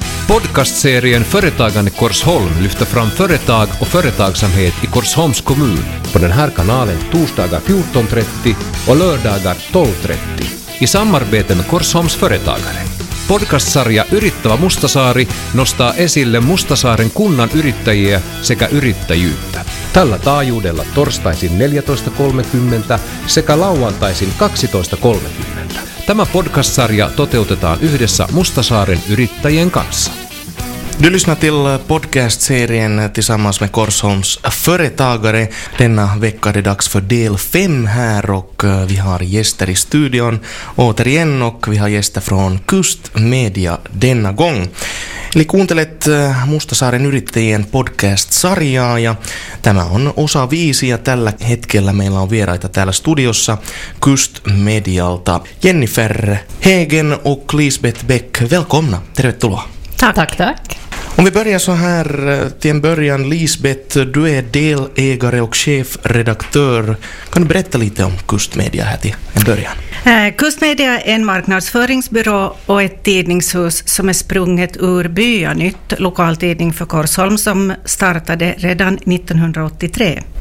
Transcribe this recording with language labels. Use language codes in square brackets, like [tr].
[sv] podcastserien Företagande Korsholm lyfter fram företag och företagsamhet i Korsholms kommun på den här kanalen torsdagar 14.30 och lördagar 12.30 i samarbete med Korsholms företagare. [fi] Podcastsarja Yrittävä Mustasaari nostaa esille Mustasaaren kunnan yrittäjiä sekä yrittäjyyttä. Tällä taajuudella torstaisin 14.30 sekä lauantaisin 12.30. Tämä podcast-sarja toteutetaan yhdessä Mustasaaren yrittäjien kanssa. [sv] Du lyssnar till podcast-serien tillsammans med Korsholms företagare. Denna vecka är det dags för del 5 här och vi har gäster i studion återigen och vi har gäster från Kust Media denna gång. [fi] Eli kuuntelet Mustasaaren yrittäjien podcast-sarjaa ja tämä on osa 5 ja tällä hetkellä meillä on vieraita täällä studiossa Kust Medialta. [sv] Jennifer Hägen och Lisbeth Bäck, välkomna, [fi] tervetuloa. [sv] Tack, tack. Om vi börjar så här, till en början, Lisbeth, du är delägare och chefredaktör. Kan du berätta lite om Kust Media här till en början? Kust Media är en marknadsföringsbyrå och ett tidningshus som är sprunget ur Byanytt, lokaltidning för Korsholm som startade redan 1983.